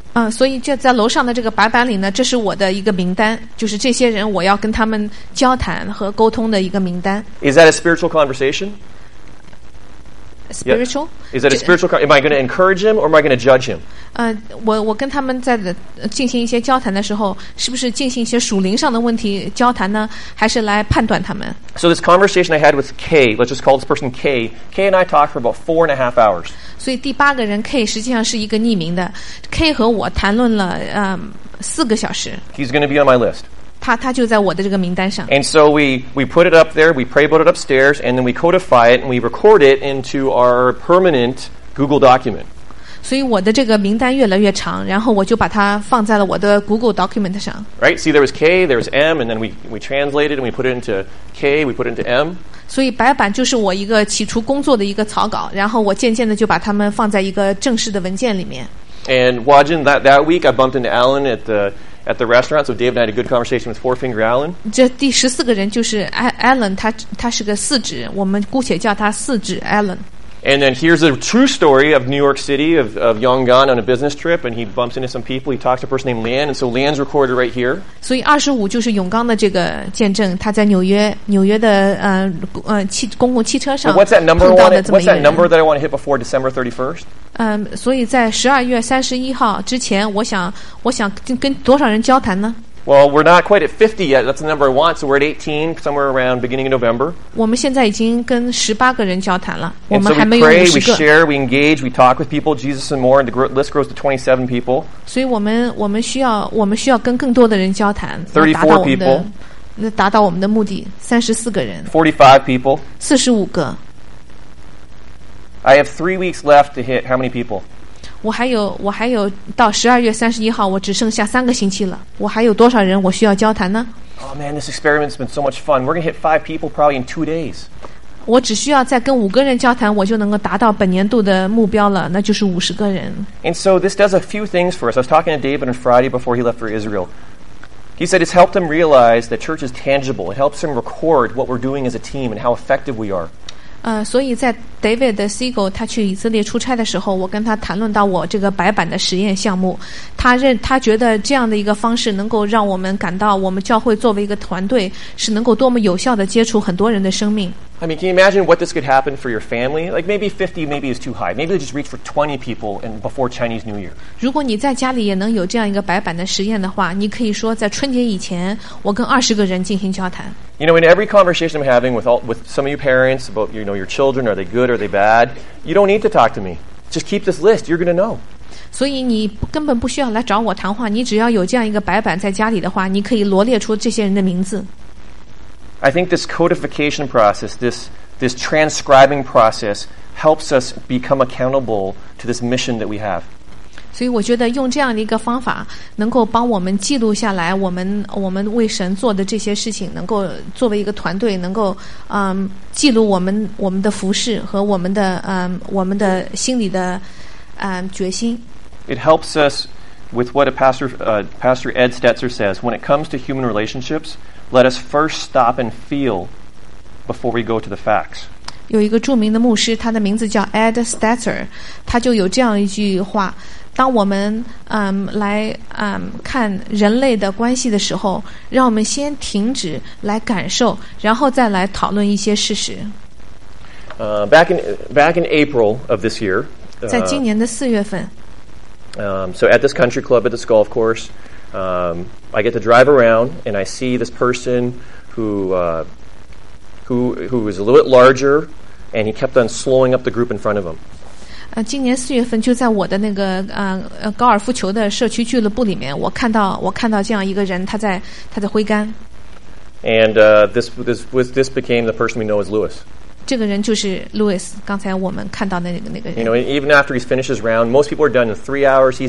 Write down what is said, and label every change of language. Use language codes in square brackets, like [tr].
[zh] 所以就在楼上的这个白板里呢，这是我的一个名单，就是这些人我要跟他们交谈和沟通的一个名单。 [en] Is that a spiritual conversation? Spiritual? Yeah. Is that a spiritual conversation? Am I going to encourage him or am I going to judge him? [zh] 我跟他们在进行一些交谈的时候，是不是进行一些属灵上的问题交谈呢？还是来判断他们？ [en] So this conversation I had with K, let's just call this person K. K and I talked for about 4.5 hours. [zh] 所以第八个人 K 实际上是一个匿名的。 K 和我谈论了4个小时。 [en] He's going to be on my list. [zh] 他就在我的这个名单上。 [en] And so we put it up there, we pray about it upstairs, and then we codify it and we record it into our permanent Google document. [zh] 所以我的这个名单越来越长，然后我就把它放在了我的 Google document 上。 [en] Right, see there was K, there was M, and then we translated and we put it into K, we put it into M. [zh] 所以白板就是我一个起初工作的一个草稿，然后我渐渐的就把它们放在一个正式的文件里面。 [en] And Huajin, that week I bumped into Alan at the restaurant, so David had a good conversation with Four Finger Alan. [zh] 这第十四个人就是 Alan, 他是个四指，我们姑且叫他四指 Alan. [en] And then here's a true story of New York City, of Yongan on a business trip, and he bumps into some people, he talks to a person named Lan, and so Lan's recorded right here. [zh] 所以25就是永刚的这个见证，他在纽约的公共汽车上碰到的这么一个人。 [en] What's that number that I want to hit before December 31st? [zh] 所以在12月31号之前，我想跟多少人交谈呢？ [en] Well, we're not quite at 50 yet. That's the number I want. So we're at 18, somewhere around beginning of November. [zh] 我们现在已经跟18个人交谈了。我们还没有50个。 [en] And so we pray, we share, we engage, we talk with people, Jesus and more, and the list grows to 27 people. [zh] 所以我们需要跟更多的人交谈。 [en] 34 people. [zh] 那达到我们的目的，34个人。 [en] 45 people. [zh] 45个。 [en] I have 3 weeks left to hit how many people? [zh] 我还有到12月31号，我只剩下3个星期了。我还有多少人我需要交谈呢 [en] ？Oh man, this experiment's been so much fun. We're gonna hit 5 people probably in 2 days. [zh] 我只需要再跟5个人交谈，我就能够达到本年度的目标了，那就是50个人。 [en] And so this does a few things for us. I was talking to David on Friday before he left for Israel. He said it's helped him realize that church is tangible. It helps him record what we're doing as a team and how effective we are. [zh] 所以在 David Siegel 他去以色列出差的时候，我跟他谈论到我这个白板的实验项目，他觉得这样的一个方式能够让我们感到我们教会作为一个团队是能够多么有效的接触很多人的生命。 [en] I mean, can you imagine what this could happen for your family? Like maybe 50 maybe is too high. Maybe they just reach for 20 people and before Chinese New Year. [zh] 如果你在家里也能有这样一个白板的实验的话，你可以说在春节以前，我跟20个人进行交谈。 [en] You know, in every conversation I'm having with some of you parents about you know your children, are they good, are they bad? You don't need to talk to me. Just keep this list. You're going to know. [zh] 所以你根本不需要来找我谈话，你只要有这样一个白板在家里的话，你可以罗列出这些人的名字。 [en] I think this codification process, this transcribing process, helps us become accountable to this mission that we have. [zh] 所以我觉得用这样的一个方法能够帮我们记录下来我们为神做的这些事情，能够作为一个团队能够记录我们的服事和我们的心里的决心。 [en] It helps us with what a pastor Ed Stetzer says, when it comes to human relationships, let us first stop and feel before we go to the facts. [zh] 有一个著名的牧师，他的名字叫 Ed Stetzer， 他就有这样一句话，当我们看人类的关系的时候，让我们先停止来感受，然后再来讨论一些事实。 [en] Back in April of this year， [zh] 在今年的四月份。 [en] So at this country club at this golf course, I get to drive around and I see this person who is a little bit larger, and he kept on slowing up the group in front of him. [zh] 今年四月份就在我的那个高尔夫球的社区俱乐部里面，我看到这样一个人，他在挥杆。 [en] And this became the person we know as Lewis. [zh] 这个人就是 Lewis， 刚才我们看到的那个人。 [en] You know, even after he finishes round, most people are done in 3 hours.